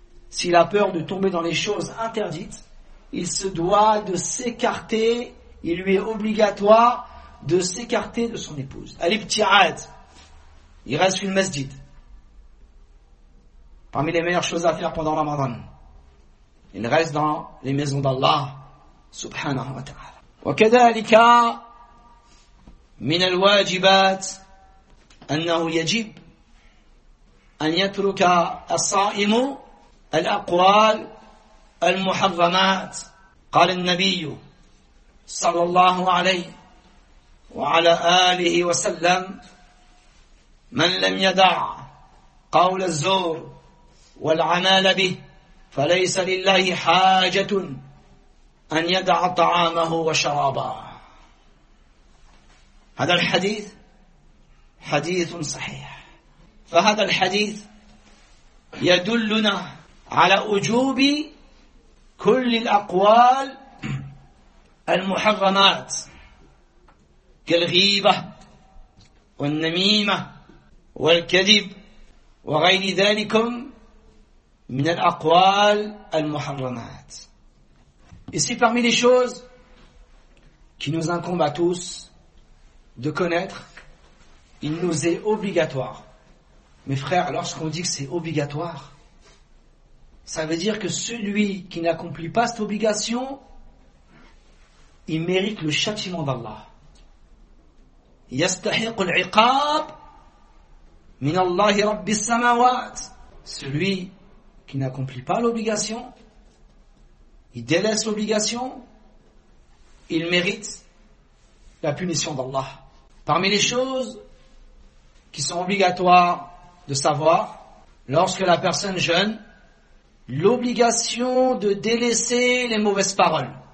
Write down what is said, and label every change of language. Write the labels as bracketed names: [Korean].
[French] S'il a peur de tomber dans les choses interdites, il se doit de s'écarter. Il lui est obligatoire de s'écarter de son épouse. Al-ibtihad. Il reste une masjid. Parmi les meilleures choses à faire pendant Ramadan. Il reste dans les maisons d'Allah. [Arabic] Subhanahu wa ta'ala. وكذلك من الواجبات أنه يجب أن يترك الصائم الأقوال المحرمات. قال النبي صلى الله عليه وعلى آله وسلم من لم يدع قول الزور والعمال به فليس لله حاجة أن يدع طعامه وشرابه هذا الحديث حديث صحيح. فهذا الحديث يدلنا على وجوب كل الأقوال المحرمات كالغيبة والنميمة والكذب وغير ذلك من الأقوال المحرمات. [French] Ici parmi les choses qui nous incombe à tous de connaître, il nous est obligatoire. Mes frères, lorsqu'on dit que c'est obligatoire, ça veut dire que celui qui n'accomplit pas cette obligation, il mérite le châtiment d'Allah. [Arabic] يستحق العقاب من الله رب السماوات. [French] Celui qui n'accomplit pas l'obligation, il délaisse l'obligation, il mérite la punition d'Allah. Parmi les choses qui sont obligatoires de savoir, lorsque la personne jeûne, l'obligation de délaisser les mauvaises paroles.